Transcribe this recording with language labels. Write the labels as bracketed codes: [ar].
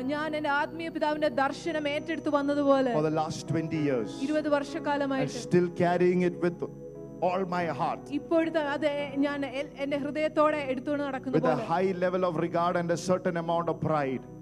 [ml] ഞാൻ എൻ്റെ ആത്മീയ പിതാവിൻ്റെ ദർശനം ഏറ്റെടുത്തു വന്നതുപോലെ. [en] For the last 20 years. [ml] 20 വർഷക്കാലമായി. [en] I'm still carrying it with all my heart. [ml] ഇപ്പോഴത്തെ അതെ ഞാൻ എൻ്റെ ഹൃദയത്തോടെ എടുത്തുകൊണ്ട് നടക്കുന്നു. [en] With a high level of regard and a certain amount of pride.